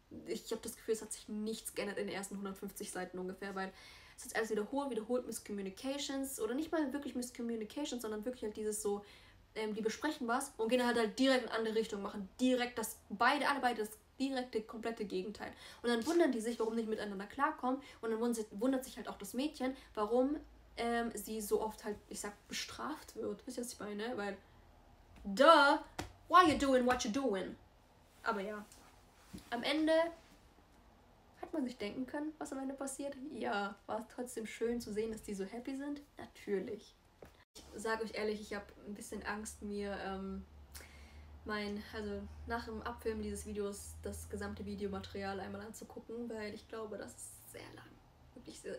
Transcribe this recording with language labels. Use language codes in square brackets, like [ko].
[de] Ich habe das Gefühl, es hat sich nichts geändert in den ersten 150 Seiten ungefähr, weil es ist alles wiederholt Miscommunications oder nicht mal wirklich Miscommunications, sondern wirklich halt dieses so, die besprechen was und gehen halt direkt in eine andere Richtung, machen direkt alle beide das direkte, komplette Gegenteil. Und dann wundern die sich, warum nicht miteinander klarkommen, und dann wundert sich halt auch das Mädchen, warum sie so oft halt, ich sag, bestraft wird. Wisst ihr, was ich meine? [en] Weil, duh, why you doing what you doing? [de] Aber ja, am Ende hat man sich denken können, was am Ende passiert? Ja, war es trotzdem schön zu sehen, dass die so happy sind? Natürlich. Ich sage euch ehrlich, ich habe ein bisschen Angst, mir nach dem Abfilmen dieses Videos das gesamte Videomaterial einmal anzugucken, weil ich glaube, das ist sehr lang.